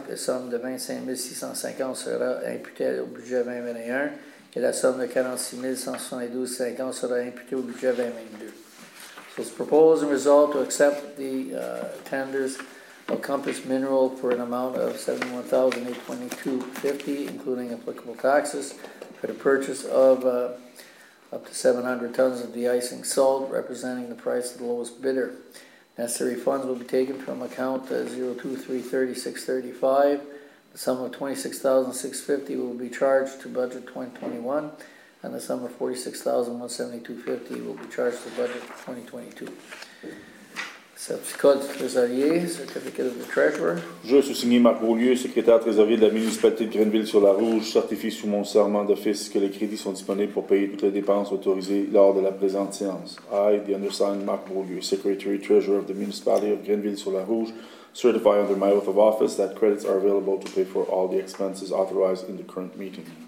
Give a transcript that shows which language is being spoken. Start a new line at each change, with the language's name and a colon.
French: La somme de 25 650 $ sera imputée au budget 2021 et la somme de 46 172,50 $ sera imputée au budget 2022.
English: So it's proposed and resolved to accept the tenders of Compass Mineral for an amount of $71,822.50, including applicable taxes, for the purchase of up to 700 tons of de-icing salt, representing the price of the lowest bidder. Necessary funds will be taken from account 02330635. The sum of $26,650 will be charged to budget 2021. And the sum of $46,172.50 will be charged to budget for 2022.
French: Certificat du trésorier,
English: certificate of the treasurer.
French: Je suis signé Marc Beaulieu, secrétaire trésorier de la municipalité de Grenville-sur-la-Rouge. Certifie sous mon serment d'office que les crédits sont disponibles pour payer toutes les dépenses autorisées lors de la présente séance.
English: I, the undersigned Marc Beaulieu, secretary treasurer of the municipality of Grenville-sur-la-Rouge, certify under my oath of office that credits are available to pay for all the expenses authorized in the current meeting.